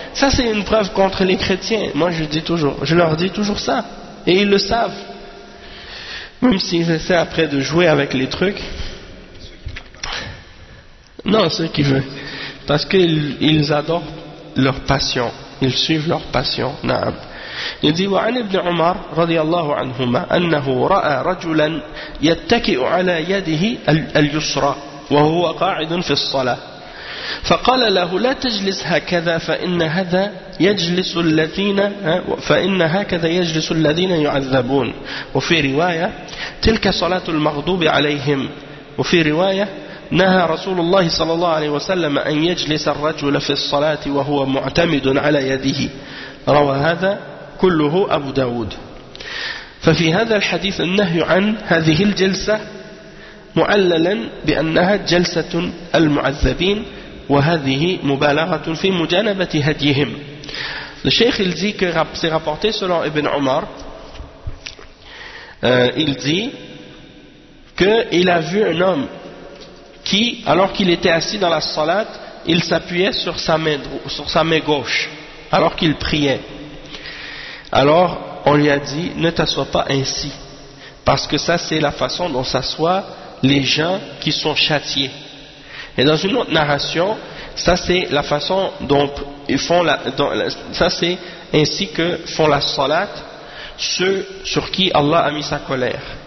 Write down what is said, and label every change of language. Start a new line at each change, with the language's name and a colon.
French: ça c'est une preuve contre les chrétiens. Moi je dis toujours, je leur dis toujours ça. Et ils le savent. Même s'ils essaient après de jouer avec les trucs. Non, ceux qui veulent. Parce qu'ils adorent leur passion. Ils suivent leur passion.
Arabic: Naam.
French: Il dit,
Arabic: وعن ابن عمر رضي الله عنهما أنه رأى رجلا يتكئ على يده اليسرى وهو قاعد في الصلاة فقال له لا تجلس هكذا فإن هذا يجلس الذين فإن هكذا يجلس الذين يعذبون وفي رواية تلك صلاة المغضوب عليهم وفي رواية نهى رسول الله صلى الله عليه وسلم أن يجلس الرجل في الصلاة وهو معتمد على يده روى هذا كله أبو داود ففي هذا الحديث النهي عن هذه الجلسة معللا بأنها جلسة المعذبين وهذه مبالغة في مجانبة هديهم
French: الشيخ الذي سيغابورتي selon ابن عمر il dit qu'il a vu un homme qui alors qu'il était assis dans la salat il s'appuyait sur sa main gauche alors qu'il priait. Alors, on lui a dit, ne t'assois pas ainsi. Parce que ça, c'est la façon dont s'assoient les gens qui sont châtiés. Et dans une autre narration, ça, c'est la façon dont ils font ça, c'est ainsi que font la salat ceux sur qui Allah a mis sa colère.